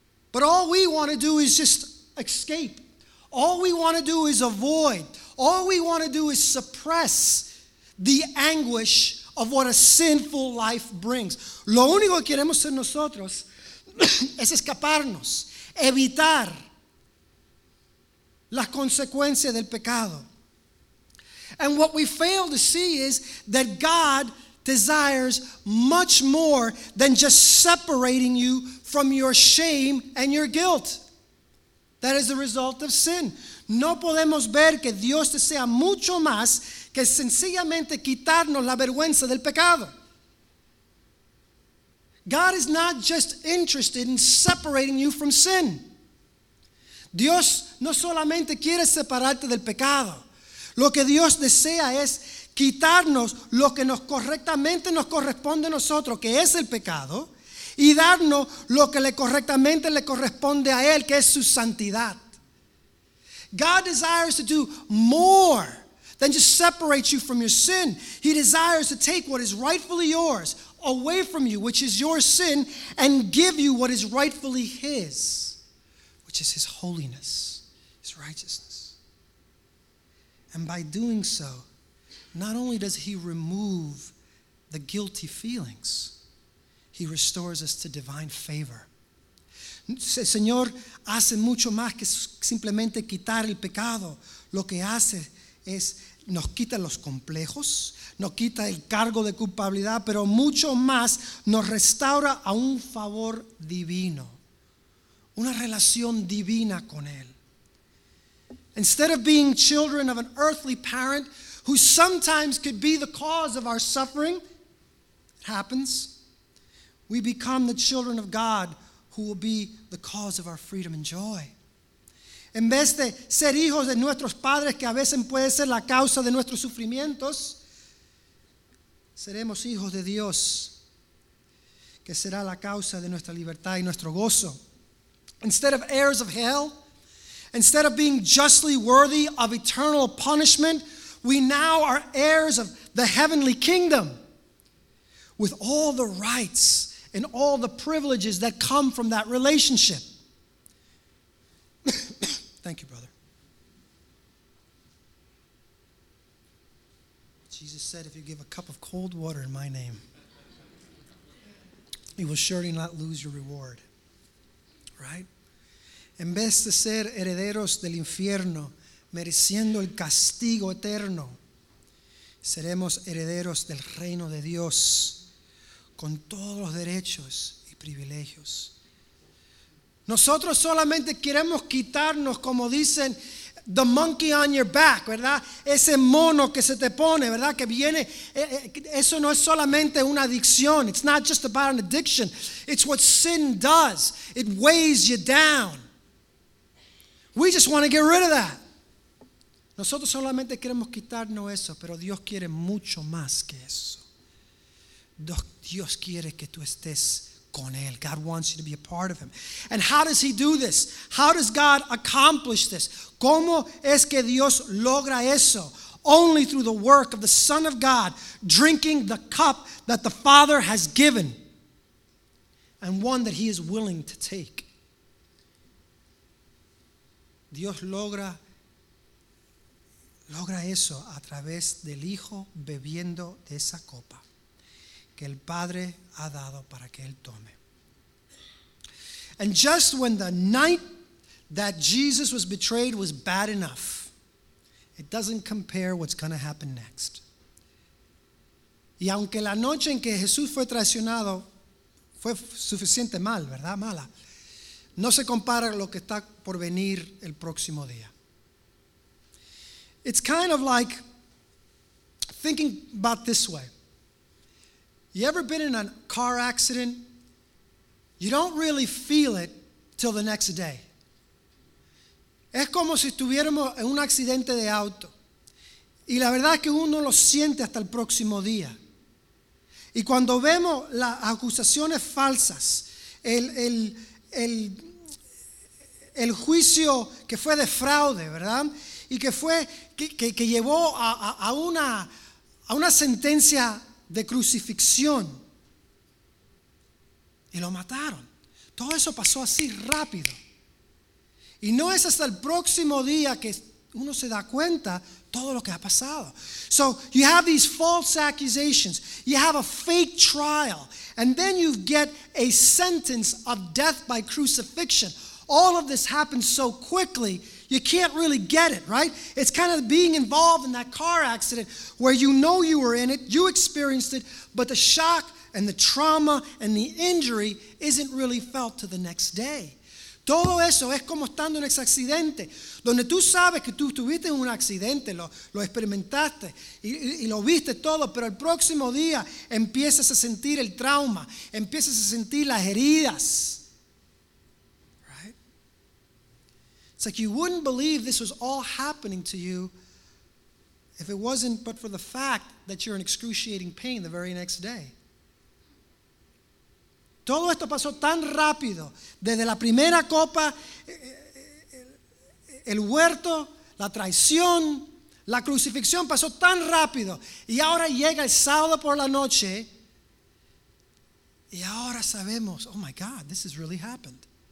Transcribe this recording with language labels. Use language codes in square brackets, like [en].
[en] But all we want to do is just escape. All we want to do is avoid. All we want to do is suppress the anguish of what a sinful life brings. [es] Lo único que queremos ser nosotros es escaparnos, evitar las consecuencias del pecado. [en] And what we fail to see is that God desires much more than just separating you from your shame and your guilt. That is the result of sin. [es] No podemos ver que Dios desea mucho más que sencillamente quitarnos la vergüenza del pecado. [en] God is not just interested in separating you from sin. [es] Dios no solamente quiere separarte del pecado. Lo que Dios desea es quitarnos lo que nos correctamente nos corresponde a nosotros, que es el pecado, y darnos lo que le correctamente le corresponde a Él, que es su santidad. [en] God desires to do more than just separate you from your sin. He desires to take what is rightfully yours away from you, which is your sin, and give you what is rightfully His, which is His holiness, His righteousness. And by doing so, not only does He remove the guilty feelings, He restores us to divine favor. [es] El Señor hace mucho más que simplemente quitar el pecado. Lo que hace es nos quita los complejos, nos quita el cargo de culpabilidad, pero mucho más nos restaura a un favor divino, una relación divina con Él. [en] Instead of being children of an earthly parent who sometimes could be the cause of our suffering, it happens, we become the children of God who will be the cause of our freedom and joy. [es] En vez de ser hijos de nuestros padres que a veces puede ser la causa de nuestros sufrimientos, seremos hijos de Dios que será la causa de nuestra libertad y nuestro gozo. [en] Instead of heirs of hell, instead of being justly worthy of eternal punishment, we now are heirs of the heavenly kingdom with all the rights and all the privileges that come from that relationship. Thank you, brother. Jesus said, if you give a cup of cold water in my name, you will surely not lose your reward. Right? [es] En vez de ser herederos del infierno, mereciendo el castigo eterno, seremos herederos del reino de Dios, con todos los derechos y privilegios. Nosotros solamente queremos quitarnos, como dicen, [en] the monkey on your back, [es] ¿verdad? Ese mono que se te pone, ¿verdad? Que viene, eso no es solamente una adicción. [en] It's not just about an addiction. It's what sin does. It weighs you down. We just want to get rid of that. [es] Nosotros solamente queremos quitarnos eso, pero Dios quiere mucho más que eso. Dios quiere que tú estés con Él. [en] God wants you to be a part of Him. And how does He do this? How does God accomplish this? [es] ¿Cómo es que Dios logra eso? [en] Only through the work of the Son of God drinking the cup that the Father has given and one that He is willing to take. [es] Dios logra eso a través del Hijo bebiendo de esa copa que el Padre ha dado para que Él tome. [en] And just when the night that Jesus was betrayed was bad enough, it doesn't compare what's going to happen next. [es] Y aunque la noche en que Jesús fue traicionado fue suficiente mal, ¿verdad? Mala. No se compara lo que está por venir el próximo día. [en] It's kind of like thinking about this way. You ever been in a car accident? You don't really feel it till the next day. [es] Es como si estuviéramos en un accidente de auto. Y la verdad es que uno lo siente hasta el próximo día. Y cuando vemos las acusaciones falsas, el juicio que fue de fraude, ¿verdad? Y que fue que llevó a una sentencia de crucifixión. Y lo mataron. Todo eso pasó así rápido. Y no es hasta el próximo día que uno se da cuenta todo lo que ha pasado. [en] So you have these false accusations. You have a fake trial. And then you get a sentence of death by crucifixion. All of this happens so quickly, you can't really get it, right? It's kind of being involved in that car accident where you know you were in it, you experienced it, but the shock and the trauma and the injury isn't really felt till the next day. [es] Todo eso es como estando en ese accidente, donde tú sabes que tú estuviste en un accidente, lo experimentaste y lo viste todo, pero el próximo día empiezas a sentir el trauma, empiezas a sentir las heridas. [en] It's like you wouldn't believe this was all happening to you if it wasn't but for the fact that you're in excruciating pain the very next day. [es] Todo esto pasó tan rápido, desde la primera copa, el huerto, la traición, la crucifixión pasó tan rápido, y ahora llega el sábado por la noche, y ahora sabemos, [en] oh my God, this has really happened.